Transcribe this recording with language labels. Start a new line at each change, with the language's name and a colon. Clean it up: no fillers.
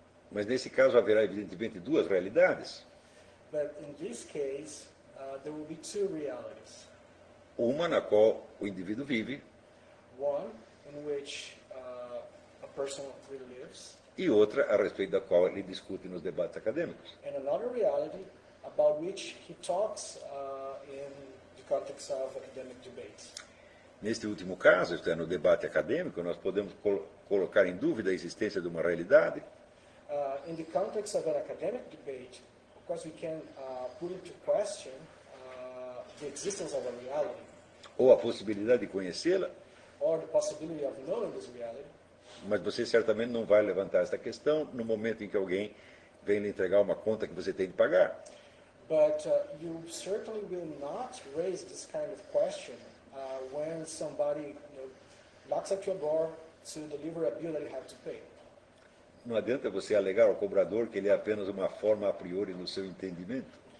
Portuguese: Mas nesse caso haverá evidentemente duas realidades.
English: But in this case, there will be two realities.
Portuguese: Uma na qual o indivíduo vive.
English: One in which a person really lives.
Portuguese: E outra a respeito da qual ele discute nos debates acadêmicos.
English: And another reality about which he talks in the context of academic debates.
Portuguese: Neste último caso, isto é, no debate acadêmico, nós podemos colocar em dúvida a existência de uma realidade.
English: In the context of an academic debate, of course we can put into question the existence of a reality.
Portuguese: Ou a possibilidade de conhecê-la.
English: Or the possibility of knowing this reality.
Portuguese: Mas você certamente não vai levantar esta questão no momento em que alguém vem lhe entregar uma conta que você tem de pagar.
English: But you certainly will not raise this kind of question when somebody, you know, knocks at your door to deliver a bill that you have to pay.
Portuguese: Não adianta você alegar ao cobrador que ele é apenas uma forma a priori no seu entendimento.